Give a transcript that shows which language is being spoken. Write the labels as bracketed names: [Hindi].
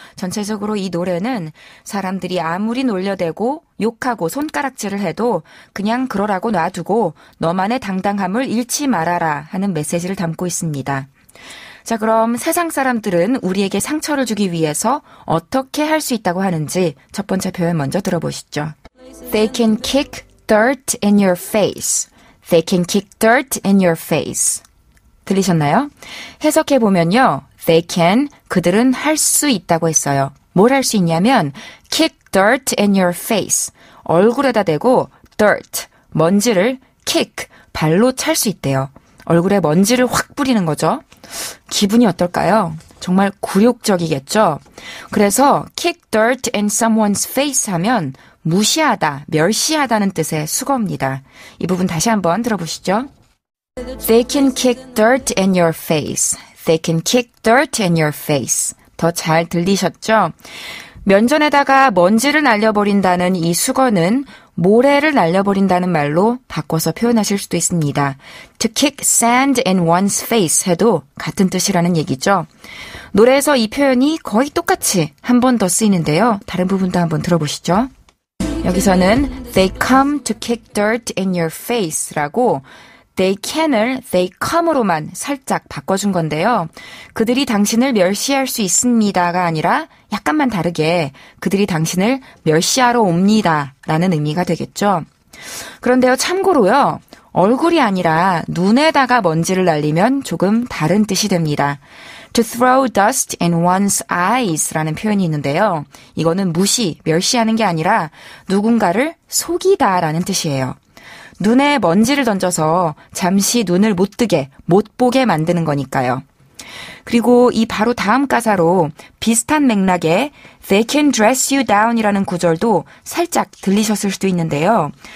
[Korean] 전체적으로 이 노래는 사람들이 아무리 놀려대고 욕하고 손가락질을 해도 그냥 그러라고 놔두고 너만의 당당함을 잃지 말아라 하는 메시지를 담고 있습니다. 자, 그럼 세상 사람들은 우리에게 상처를 주기 위해서 어떻게 할 수 있다고 하는지 첫 번째 표현 먼저 들어보시죠. [English] They can kick dirt in your face. They can kick dirt in your face. [Korean] 들리셨나요? 해석해 보면요. [English] They can, [Korean] 그들은 할 수 있다고 했어요. 뭘 할 수 있냐면 [English] kick dirt in your face. [Korean] 얼굴에다 대고 dirt, 먼지를 kick, 발로 찰 수 있대요. 얼굴에 먼지를 확 뿌리는 거죠. 기분이 어떨까요? 정말 굴욕적이겠죠? 그래서 [English] kick dirt in someone's face [Korean] 하면 무시하다, 멸시하다는 뜻의 수거입니다. 이 부분 다시 한번 들어보시죠. [English] They can kick dirt in your face. They can kick dirt in your face. [Korean] 더 잘 들리셨죠? 면전에다가 먼지를 날려버린다는 이 수거는 모래를 날려버린다는 말로 바꿔서 표현하실 수도 있습니다. [English] To kick sand in one's face [Korean] 해도 같은 뜻이라는 얘기죠. 노래에서 이 표현이 거의 똑같이 한 번 더 쓰이는데요. 다른 부분도 한번 들어보시죠. 여기서는 [English] They come to kick dirt in your face [Korean] 라고 [English] They can [Korean] 을 [English] they come [Korean] 으로만 살짝 바꿔준 건데요. 그들이 당신을 멸시할 수 있습니다가 아니라 약간만 다르게 그들이 당신을 멸시하러 옵니다라는 의미가 되겠죠. 그런데요, 참고로요, 얼굴이 아니라 눈에다가 먼지를 날리면 조금 다른 뜻이 됩니다. [English] To throw dust in one's eyes라는 [Korean] 표현이 있는데요. 이거는 무시, 멸시하는 게 아니라 누군가를 속이다라는 뜻이에요. 눈에 먼지를 던져서 잠시 눈을 못 뜨게, 못 보게 만드는 거니까요. 그리고 이 바로 다음 가사로 비슷한 맥락의 [English] They can dress you down [Korean] 이라는 구절도 살짝 들리셨을 수도 있는데요.